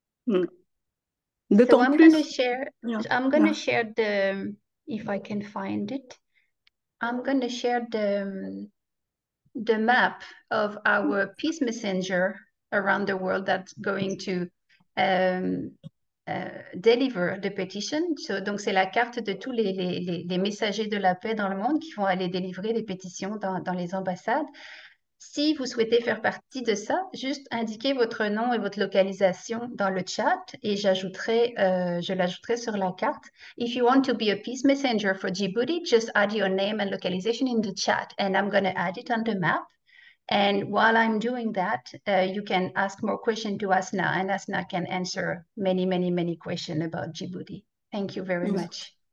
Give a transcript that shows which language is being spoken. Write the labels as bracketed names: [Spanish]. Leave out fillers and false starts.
[English] I'm gonna share the map of our peace messenger around the world that's going to deliver the petition. [French] So, donc c'est la carte de tous les messagers de la paix dans le monde qui vont aller délivrer les pétitions dans les ambassades. Si vous souhaitez faire partie de ça, juste indiquez votre nom et votre localisation dans le chat et je l'ajouterai sur la carte. [English] If you want to be a peace messenger for Djibouti, just add your name and localization in the chat and I'm going to add it on the map. And while I'm doing that, you can ask more questions to Asna, and Asna can answer many, many, many questions about Djibouti. Thank you very much.